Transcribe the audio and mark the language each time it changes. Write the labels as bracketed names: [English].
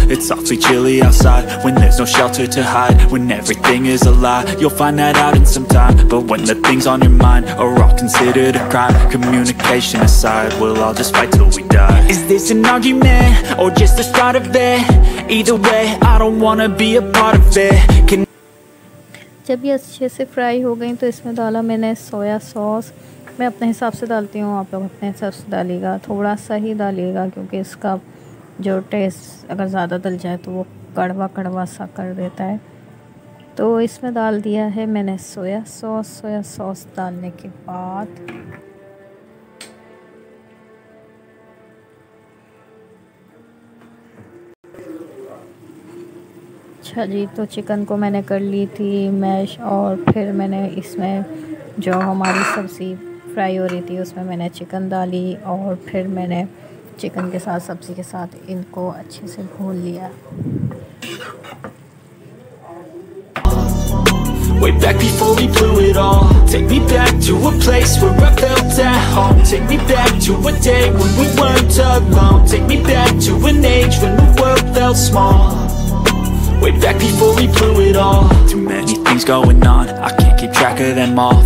[English] It's awfully chilly outside, when there's no shelter to hide. When everything is a lie, you'll find that out in some time. But when the things on your mind are all considered a crime, communication aside, we'll all just fight till we die. Is this an argument, or just the start of it? Either way, I don't wanna be a part of it. [Hindi] जब ये अच्छे से fry हो गई तो इसमें डाला मैंने सोया सॉस। मैं अपने हिसाब से डालती हूँ, आप लोग अपने हिसाब से डालिएगा, थोड़ा सा ही डालिएगा क्योंकि इसका जो टेस्ट अगर ज़्यादा डल जाए तो वो कड़वा कड़वा सा कर देता है। तो इसमें डाल दिया है मैंने सोया सॉस। सोया सॉस डालने के बाद अच्छा जी, तो चिकन को मैंने कर ली थी मैश, और फिर मैंने इसमें जो हमारी सब्ज़ी फ्राई हो रही थी उसमें मैंने चिकन डाली, और फिर मैंने चिकन के साथ सब्ज़ी के साथ इनको अच्छे से भून लिया। [English] Way back before we blew it all. Take me back to a place where I felt at home. Take me back to a day when we weren't alone. Take me back to an age when the world felt small. Way back before we blew it all. Too many things going on, I can't keep track of them all.